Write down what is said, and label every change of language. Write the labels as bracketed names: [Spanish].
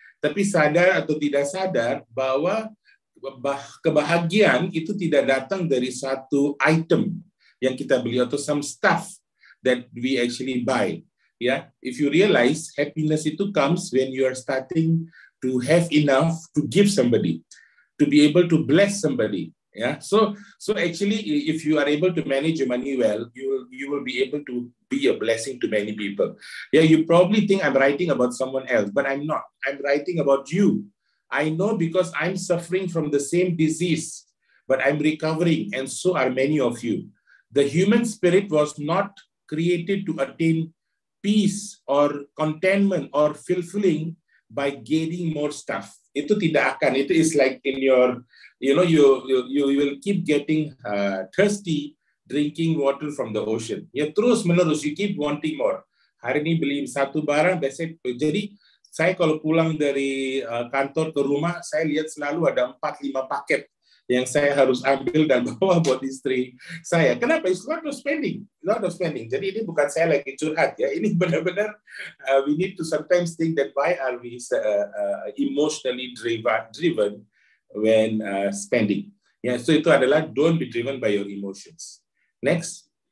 [Indonesian] Tapi sadar atau tidak sadar bahwa kebahagiaan itu tidak datang dari satu item yang kita beli atau [English] some stuff that we actually buy. Yeah? If you realize, happiness itu comes when you are starting to have enough to give somebody, to be able to bless somebody. Yeah? So actually, if you are able to manage your money well, you will be able to be a blessing to many people. Yeah, you probably think I'm writing about someone else, but I'm not. I'm writing about you. I know because I'm suffering from the same disease, but I'm recovering, and so are many of you. The human spirit was not created to attain peace or contentment or fulfilling by gaining more stuff. [Indonesian] Itu tidak akan. [English] Itu is like in your, you know, you will keep getting thirsty, drinking water from the ocean. Ya, [Indonesian] terus menerus, [English] you keep wanting more. [Indonesian] Hari ini beli satu barang, biasanya, jadi saya kalau pulang dari kantor ke rumah, saya lihat selalu ada 4-5 paket yang saya harus ambil dan bawa buat istri saya. Kenapa? [English] It's not of spending. Not of spending. [Indonesian] Jadi ini bukan saya lagi curhat, ya. Ini benar-benar, [English] we need to sometimes think that why are we emotionally driven when spending. Yeah, so [Indonesian] itu adalah [English] don't be driven by your emotions. Next.